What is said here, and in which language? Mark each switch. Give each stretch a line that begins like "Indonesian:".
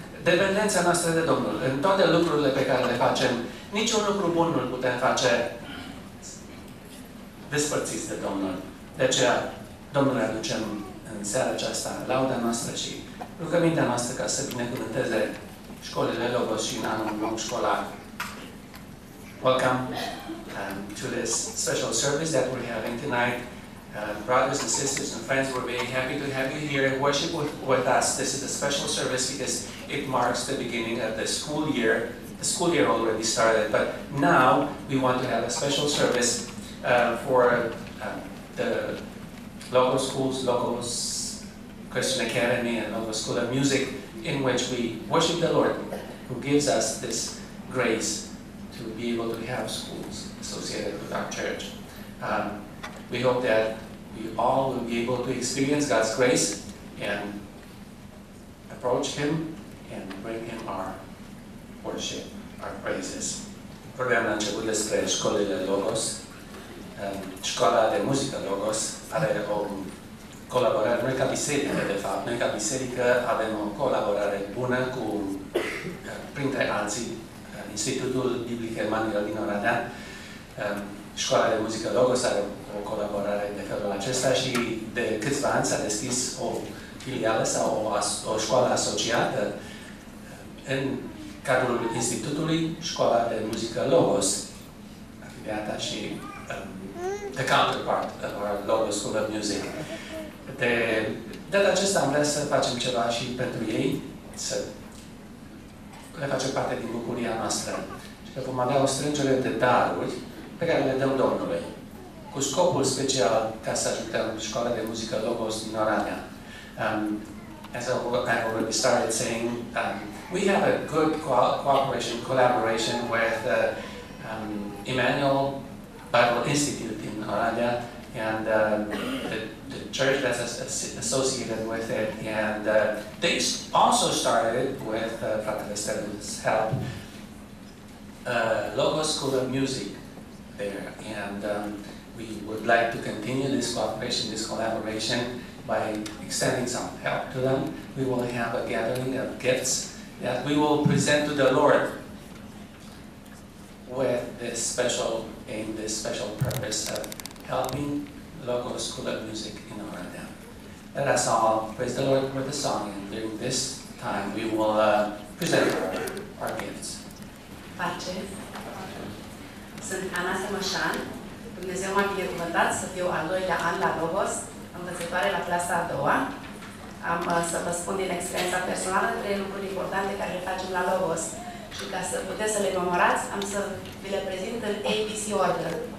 Romanian: dependența noastră de Domnul. În toate lucrurile pe care le facem, niciun lucru bun nu-l putem face despărțiți de Domnul. De aceea, Domnul, aducem în seara aceasta lauda noastră și rugămintea noastră ca să binecuvânteze școlile Logos și în anul nou școlar.
English: Welcome to this special service that we're having tonight. Brothers and sisters and friends, we're very happy to have you here and worship with us. This is a special service because it marks the beginning of the school year. The school year already started, but now we want to have a special service for the local schools, Logos Christian Academy and Logos School of Music, in which we worship the Lord who gives us this grace to be able to have schools associated with our church. We hope that we all will be able to experience God's grace and approach Him and bring Him our worship, our praises.
Romanian: Programul a început despre școlile Logos. Școala de muzică Logos are o colaborare, noi ca biserică, de fapt, noi ca biserică avem o colaborare bună cu, printre alții, Institutul Biblic Emanuel din Oradea. Școala de muzică Logos are o colaborare de felul acesta și de câțiva ani s-a deschis o filială sau o școală asociată în cadrul Institutului Școala de muzică Logos, afiliată și
English: the counterpart of our Logos School of Music.
Romanian: De data aceasta am vrea să facem ceva și pentru ei, să le facem parte din bucuria noastră. Și că vom avea o strângere de daruri pe care le dăm Domnului, cu scopul special ca să ajutăm școala de muzică Logos din Oradea.
English: As I already started saying, we have a good collaboration with Emmanuel Bible Institute in Oradea and the church that's associated with it, and they also started with Frater Estelle's help Logos School of Music there, and we would like to continue this cooperation, this collaboration by extending some help to them. We will have a gathering of gifts that we will present to the Lord with this special aim, this special purpose of helping Logos School of Music in Oradea. Let us all praise the Lord with a song, and during this time we will present our gifts.
Romanian: Pace. Sunt Ana Semășan. Dumnezeu m-a binecuvântat să fiu al doilea an la Logos, învățătoare la clasa a doua. Am să vă spun din experiența personală trei lucruri importante care le facem la Logos. Și ca să puteți să le memorați, am să vi le prezint în
English: ABC order.